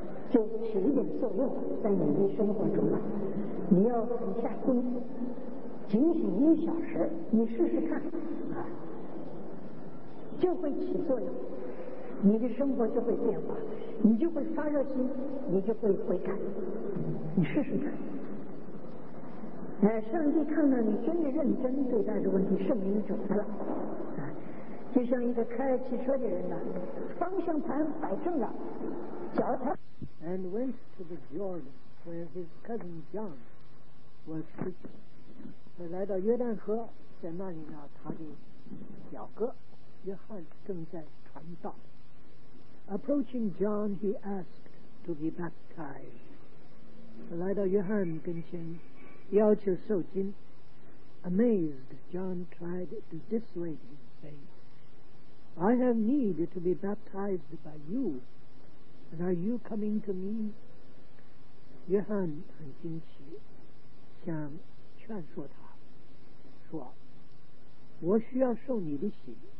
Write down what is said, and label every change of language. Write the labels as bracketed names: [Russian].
[Chinese] 就起一点作用在你的生活中啊，你要很下功夫警醒一小时，你试试看啊，就会起作用，你的生活就会变化，你就会发热心，你就会悔改，你试试看。哎，上帝看到你真的认真对待这个问题，圣灵就来了。就像一个开汽车的人呢，方向盘摆正了，脚踏。 [English] And went to the Jordan where his cousin John was preaching. [Chinese] 他来到约旦河，在那里呢，他的表哥约翰正在传道。 [English] Approaching John, he asked to be baptized. [Chinese] 来到约翰跟前，要求受浸。 [English] Amazed, John tried to dissuade him, saying, I have need to be baptized by you, and are you coming to me? [Chinese] 约翰很惊奇，想劝说他，说，我需要受你的洗，